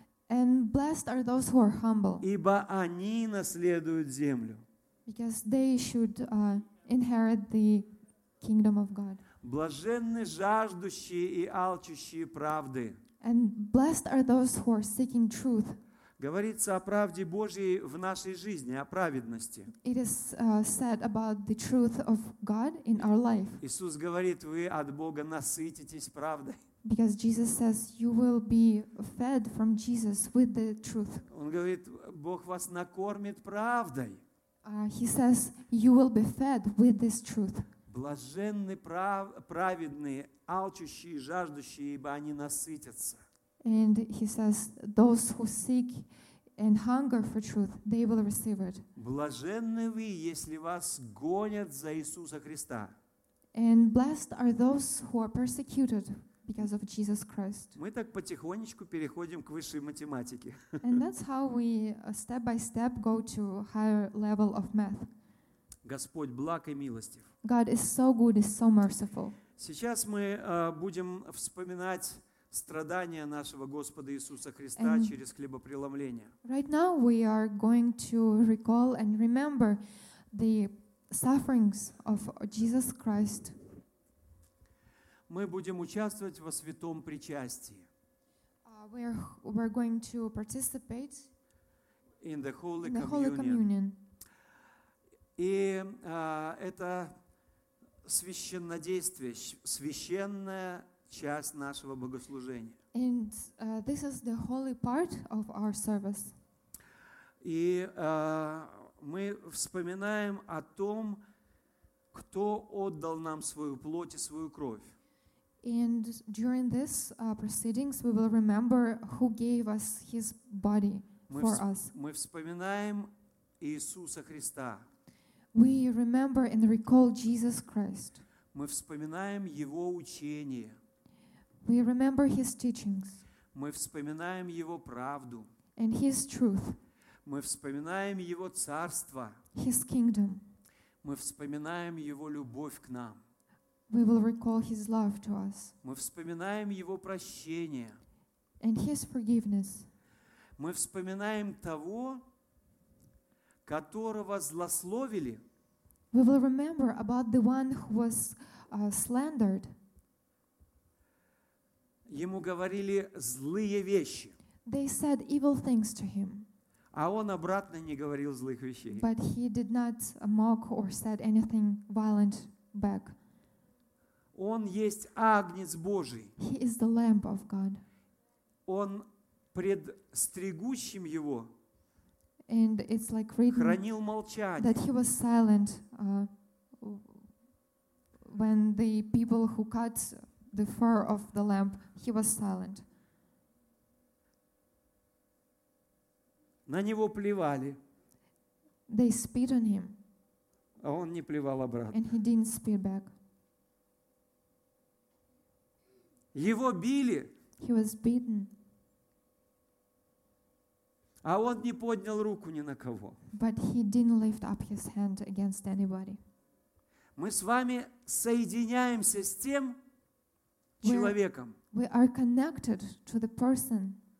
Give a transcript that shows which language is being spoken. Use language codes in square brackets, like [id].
[en] And blessed are those who are humble. [ru] Ибо они наследуют землю. [en] Because they should inherit the kingdom of God. [ru] Блаженны жаждущие и алчущие правды. [en] And blessed are those who are seeking truth. [ru] Говорится о правде Божьей в нашей жизни, о праведности. [en] It is said about the truth of God in our life. [ru] Иисус говорит: вы от Бога насытитесь правдой. [en] Because Jesus says you will be fed from Jesus with the truth. [ru] Он говорит: Бог вас накормит правдой. [en] He says you will be fed with this truth. [ru] Блаженны праведные, алчущие, жаждущие, ибо они насытятся. [en] And he says, those who seek and hunger for truth, they will receive it. [ru] Блаженны вы, если вас гонят за Иисуса Христа. [en] And blessed are those who are persecuted because of Jesus Christ. [ru] Мы так потихонечку переходим к высшей математике. [en] And that's how we step by step go to higher level of math. [ru] Господь благ и милостив. [en] God is so good, is so merciful. [ru] Сейчас мы будем вспоминать страдания нашего Господа Иисуса Христа [en] and [ru] через хлебопреломление. [en] Right now we are going to recall and remember the sufferings of Jesus Christ. [ru] Мы будем участвовать во святом причастии. [en] We're going to participate in the Holy, in the Holy Communion. [ru] И это священнодействие, священное часть нашего богослужения. [en] And this is the holy part of our service. [ru] И мы вспоминаем о том, кто отдал нам свою плоть и свою кровь. [en] And during this proceedings we will remember who gave us his body for us. [ru] Мы вспоминаем Иисуса Христа. [en] We remember and recall Jesus Christ. [ru] Мы вспоминаем его учение. [en] We remember his teachings. [ru] Мы вспоминаем его правду. [en] And his truth. [ru] Мы вспоминаем его царство. [en] His kingdom. [ru] Мы вспоминаем его любовь к нам. [en] We will recall his love to us. [ru] Мы вспоминаем его прощение. [en] And his forgiveness. [ru] Мы вспоминаем того, которого злословили. [en] We will remember about the one who was slandered. [ru] Ему говорили злые вещи. [en] They said evil things to him. [ru] А он обратно не говорил злых вещей. [en] But he did not mock or said anything violent back. [ru] Он есть Агнец Божий. [en] He is the Lamb of God. [ru] Он предстригущим его. [en] And it's like written that he was silent when the people who cut the fur of the lamb, he was silent. [ru] На него плевали. [en] They spit on him. [ru] А он не плевал обратно. [en] And he didn't spit back. [ru] Его били. [en] He was beaten. [ru] А он не поднял руку ни на кого. [en] But he didn't lift up his hand against anybody. [ru] Мы с вами соединяемся с тем человеком. [en] We are connected to the person.